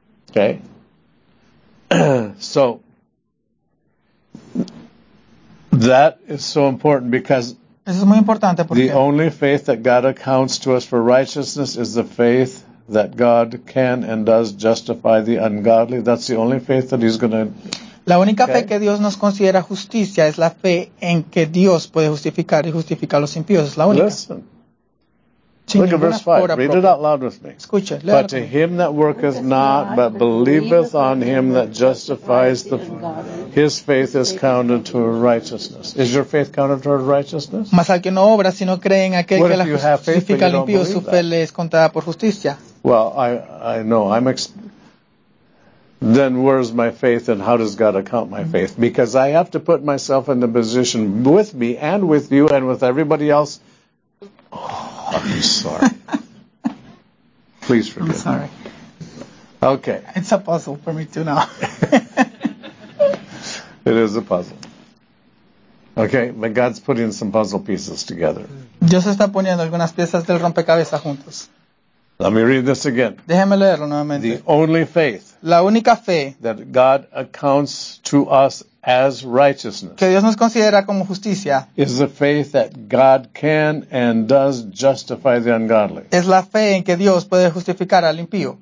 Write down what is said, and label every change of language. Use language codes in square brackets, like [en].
[en] Okay. So, that is so important because [es] eso es muy importante porque [en] the only faith that God accounts to us for righteousness is the faith that God can and does justify the ungodly. That's the only faith that he's going to. [es] La única fe que Dios nos considera justicia es la fe en que Dios puede justificar y justificar los impíos. Es la única. [en] Listen. Look at verse 5. Read it out loud with me. [es] Escuche. [en] But to him that worketh not, but believeth on him that justifies the his faith is counted to righteousness. Is your faith counted to righteousness? [es] Mas al que no obra, sino cree en aquel que la justifica al impío, su fe le es contada por justicia. [en] Well, I know. Then where's my faith and how does God account my faith? Because I have to put myself in the position with me and with you and with everybody else. I'm sorry. Please forgive me. I'm sorry. Me. Okay. It's a puzzle for me too now. It is a puzzle. Okay, but God's putting some puzzle pieces together. [es] Dios está poniendo algunas piezas del rompecabezas juntos. [en] Let me read this again. [es] Déjeme leerlo nuevamente. [en] The only faith. [es] La única fe. [en] That God accounts to us as righteousness. [es] Que Dios nos considera como justicia. [en] Is the faith that God can and does justify the ungodly. [es] Es la fe en que Dios puede justificar al impío.